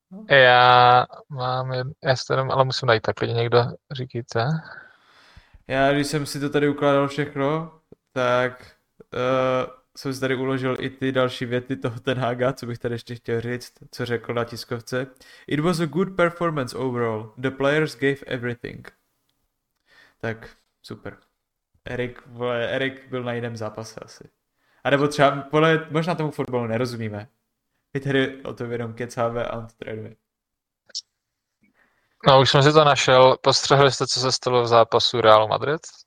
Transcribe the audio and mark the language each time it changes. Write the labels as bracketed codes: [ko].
[cs] Já mám jenom, ale musím najít takhle někdo, říkajte. Já když jsem si to tady ukládal všechno, tak jsem si tady uložil i ty další věty toho Ten Haga, co bych tady ještě chtěl říct, co řekl na tiskovce. [en] It was a good performance overall. The players gave everything. [cs] Tak, super. Erik byl na jiném zápase asi. A nebo třeba, možná tomu fotbalu nerozumíme. My tady o to jenom kecáme a on to trénuje. No už jsem si to našel. Postřehli jste, co se stalo v zápasu Real Madrid?